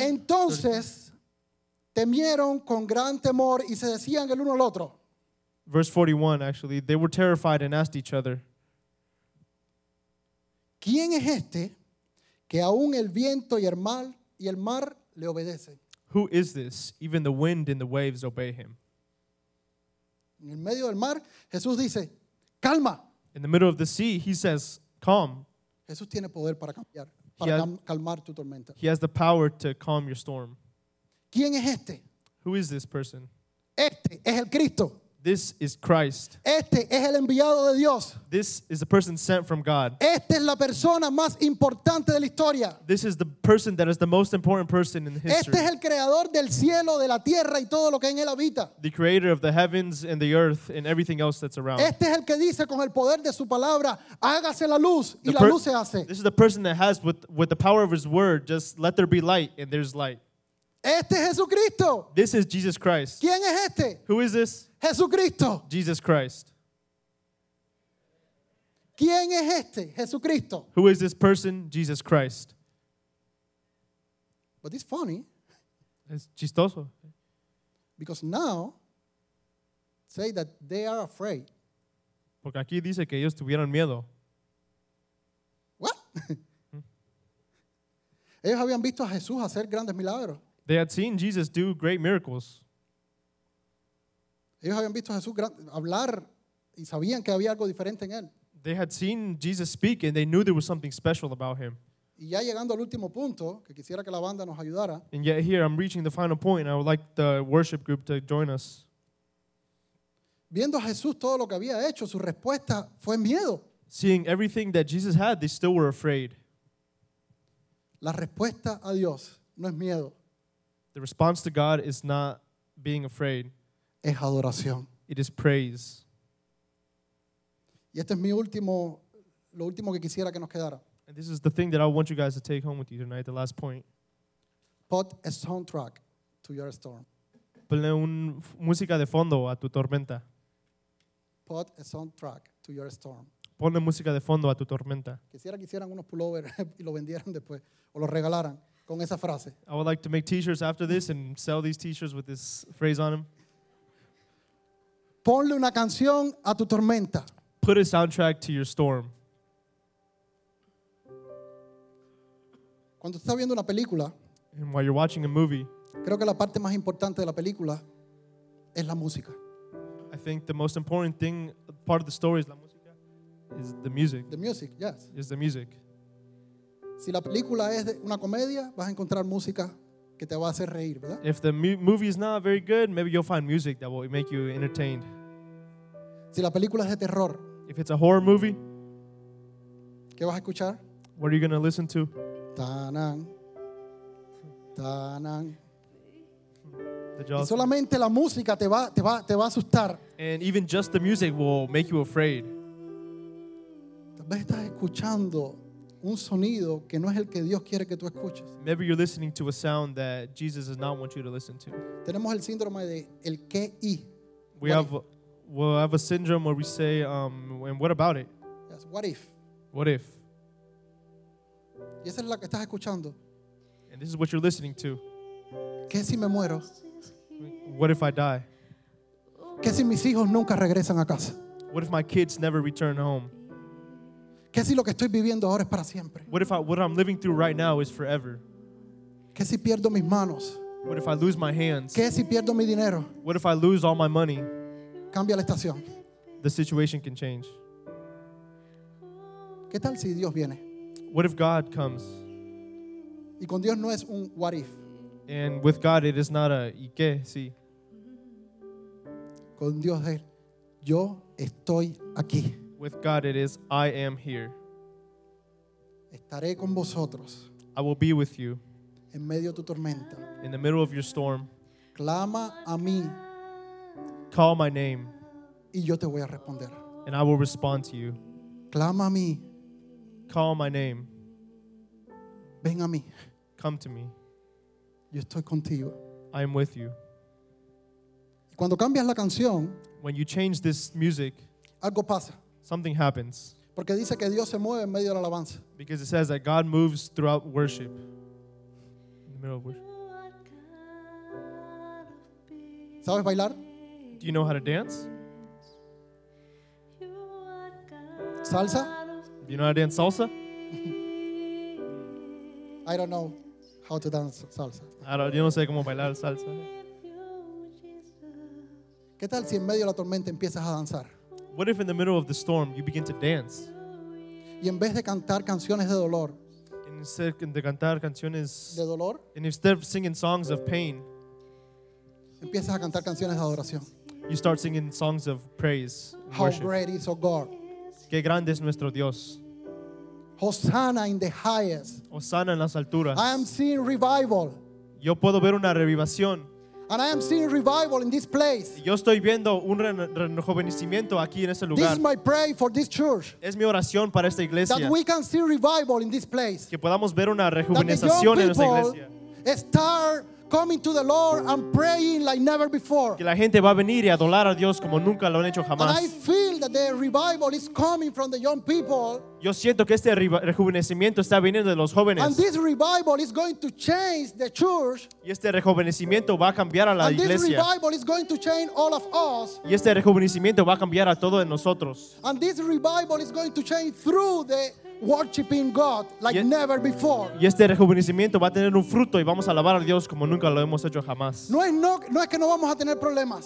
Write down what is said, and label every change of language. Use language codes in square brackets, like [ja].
[es] Entonces, temieron con gran temor y se decían el uno al otro. [en] Verse 41, actually. They were terrified and asked each other. [es] ¿Quién es este que aún el viento y el mar le obedecen? [en] Who is this? Even the wind and the waves obey him. [es] En el medio del mar, Jesús dice, calma. [en] In the middle of the sea, he says, calm. [es] Jesús tiene poder para cambiar, para calmar tu tormenta. [en] He has the power to calm your storm. [es] ¿Quién es este? [en] Who is this person? [es] Este es el Cristo. [en] This is Christ. [es] Este es el enviado de Dios. [en] This is the person sent from God. [es] Esta es la persona más importante de la historia. [en] This is the person that is the most important person in history. [es] Este es el creador del cielo, de la tierra y todo lo que en él habita. [en] The creator of the heavens and the earth and everything else that's around. [es] Este es el que dice con el poder de su palabra, hágase la luz y la luz se hace. [en] This is the person that has with the power of his word, just let there be light and there's light. [es] Este es Jesucristo. [en] This is Jesus Christ. [es] ¿Quién es este? [en] Who is this? [es] Jesucristo. [en] Jesus Christ. [es] ¿Quién es este? Jesucristo. [en] Who is this person? Jesus Christ. But it's funny. [es] Es chistoso. [en] Because now, say that they are afraid. [es] Porque aquí dice que ellos tuvieron miedo. [en] What? [es] Ellos habían visto a Jesús hacer grandes milagros. [en] They had seen Jesus do great miracles. [es] Ellos habían visto a Jesús hablar y sabían que había algo diferente en él. [en] They had seen Jesus speak and they knew there was something special about him. [es] Y ya llegando al último punto, que quisiera que la banda nos ayudara. [en] And yet here I'm reaching the final point and I would like the worship group to join us. [es] Viendo a Jesús todo lo que había hecho, su respuesta fue miedo. [en] Seeing everything that Jesus had, they still were afraid. [es] La respuesta a Dios no es miedo. [en] The response to God is not being afraid. [es] Es adoración. [en] It is praise. [es] Y este es mi último, lo último que quisiera que nos quedara. [en] And this is the thing that I want you guys to take home with you tonight, the last point. Put a soundtrack to your storm. [es] Ponle un música de fondo a tu tormenta. [en] Put a soundtrack to your storm. [es] Ponle música de fondo a tu tormenta. Quisiera que hicieran unos pullovers y lo vendieran después o lo regalaran con esa frase. [en] I would like to make t-shirts after this and sell these t-shirts with this phrase on them. [es] Ponle una canción a tu tormenta. [en] Put a soundtrack to your storm. [es] Cuando estás viendo una película, [en] and while you're watching a movie, [es] creo que la parte más importante de la película es la música. [en] I think the most important thing, part of the story is [es] la música, [en] is the music. The music, yes. Is the music. [es] Si la película es una comedia, vas a encontrar música que te va a hacer reír, ¿verdad? [en] If the movie is not very good, maybe you'll find music that will make you entertained. [es] Si la película es de terror, [en] if it's a horror movie, [es] ¿qué vas a escuchar? [en] What are you going to listen to? Ta-nan. Ta-nan. The Jaws. [es] Y solamente la música te va a asustar. [en] And even just the music will make you afraid. [es] Tal vez estás escuchando un sonido que no es el que Dios quiere que tú escuches. [en] Maybe you're listening to a sound that Jesus does not want you to listen to. [es] Tenemos el síndrome de el qué y. [en] We have a syndrome where we say, and what about it? Yes, what if? What if? [es] Y esa es la que estás escuchando. [en] And this is what you're listening to. [es] ¿Qué si me muero? [en] What if I die? [es] ¿Qué si mis hijos nunca regresan a casa? [en] What if my kids never return home? [es] ¿Qué si lo que estoy viviendo ahora es para siempre? [en] What I'm living through right now is forever? [es] ¿Qué si pierdo mis manos? [en] What if I lose my hands? [es] ¿Qué si pierdo mi dinero? [en] What if I lose all my money? [es] Cambia la estación. [en] The situation can change. [es] ¿Qué tal si Dios viene? [en] What if God comes? [es] Y con Dios no es un [en] what if. And with God, it is not a [es] ¿y qué? Sí. Con Dios es yo estoy aquí. [en] With God, it is I am here. [es] Estaré con vosotros. [en] I will be with you. [es] En medio de tu tormenta. [en] In the middle of your storm. [es] Clama a mí. [en] Call my name. [es] Y yo te voy a responder. [en] And I will respond to you. [es] Clama a mí. [en] Call my name. [es] Ven a mí. [en] Come to me. [es] Yo estoy contigo. [en] I am with you. [es] Cuando cambias la canción, [en] when you change this music, [es] algo pasa. [en] Something happens. [es] Porque dice que Dios se mueve en medio de la alabanza. [en] Because it says that God moves throughout worship. In the middle of worship. [es] ¿Sabes bailar? [en] Do you know how to dance? [es] Salsa? [en] Do you know how to dance salsa? I don't know how to dance salsa. [es] Yo no sé cómo bailar salsa. ¿Qué tal si en medio de la tormenta empiezas a danzar? What if in the middle of the storm you begin to dance? Y en vez de cantar canciones de dolor, [en] instead [es] de cantar canciones de dolor, [en] and instead of singing songs of pain, [es] empiezas a cantar canciones de adoración. [en] You start singing songs of praise. How worship. Great is our God. [es] Qué grande es nuestro Dios. [en] Hosanna in the highest. [es] Hosanna en las alturas. [en] I am seeing revival. [es] Yo puedo ver una revivación. [en] And I am seeing revival in this place. [es] Yo estoy viendo un rejuvenecimiento aquí en este lugar. [en] This is my prayer for this church. [es] Es mi oración para esta iglesia. [en] That we can see revival in this place. [es] Que podamos ver una rejuvenización en esta iglesia. [en] That the young people start coming to the Lord and praying like never before. [es] Que la gente va a venir y adorar a Dios como nunca lo han hecho jamás. [en] And I feel that the revival is coming from the young people. [es] Yo siento que este rejuvenecimiento está viniendo de los jóvenes. [en] And this revival is going to change the church. [es] Y este rejuvenecimiento va a cambiar a la iglesia. [en] And this revival is going to change all of us. [es] Y este rejuvenecimiento va a cambiar a todos nosotros. [en] And this revival is going to change through the worshiping God like never before. [es] Y este rejuvenecimiento va a tener un fruto y vamos a alabar a Dios como nunca lo hemos hecho jamás. No es que no vamos a tener problemas.